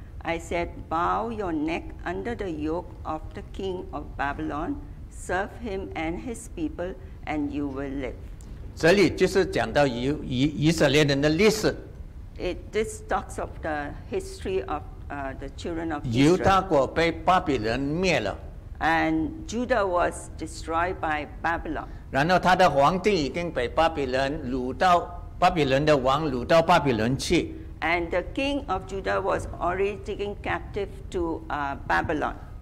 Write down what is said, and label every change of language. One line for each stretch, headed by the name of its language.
English: I said, bow your neck under the yoke of the king of Babylon, serve him and his people, and you will live.
Chinese: 这里就是讲到以色列人的历史。
English: It this talks of the history of the children of
Chinese: Israel. 犹大国被巴比伦灭了。
English: And Judah was destroyed by Babylon.
Chinese: 然后他的皇帝已经被巴比伦掳到巴比伦的王掳到巴比伦去。
English: And the king of Judah was already taken captive to Babylon.